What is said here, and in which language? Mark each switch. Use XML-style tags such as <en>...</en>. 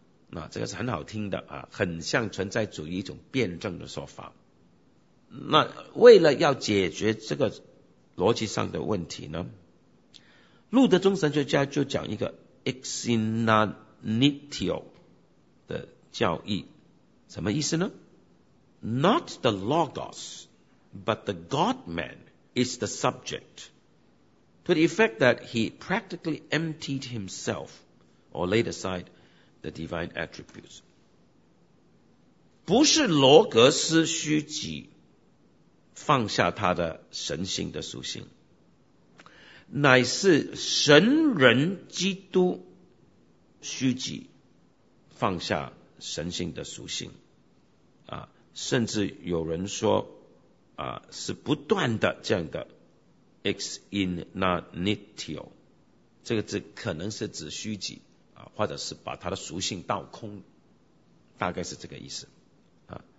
<zh>那这个是很好听的啊，很像存在主义一种辩证的说法。那为了要解决这个逻辑上的问题呢，路德宗神学家就讲一个 exinanitio 的教义，什么意思呢？</zh> <en>Not the logos, but the God-man is the subject, to the effect that he practically emptied himself or laid aside the divine attributes.</en> <zh>不是罗格斯虚己放下他的神性的属性，乃是神人基督虚己放下神性的属性啊，甚至有人说啊，是不断的这样的 exinanitio， 这个字可能是指虚己啊，或者是把他的属性倒空，大概是这个意思啊。</zh>